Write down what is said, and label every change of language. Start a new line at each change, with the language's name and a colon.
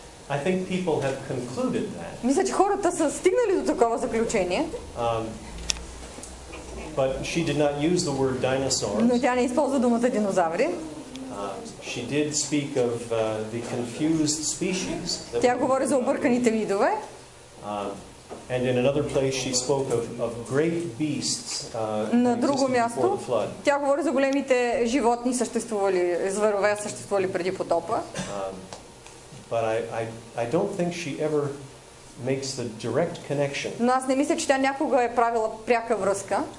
English: I think people have concluded that.
Bulgarian: Мисля, че хората са стигнали до такова заключение.
English: But she did not use the word dinosaurs.
Bulgarian: Но тя не използва думата динозаври.
English: She did speak of the confused species.
Bulgarian: Тя говори за обърканите видове.
English: And in another place she spoke of great beasts.
Bulgarian: На друго място тя говори за големите животни съществували, зверове съществували преди потопа.
English: But I don't think she ever makes the direct connection.
Bulgarian: Но аз не мисля, че тя някога е правила пряка връзка.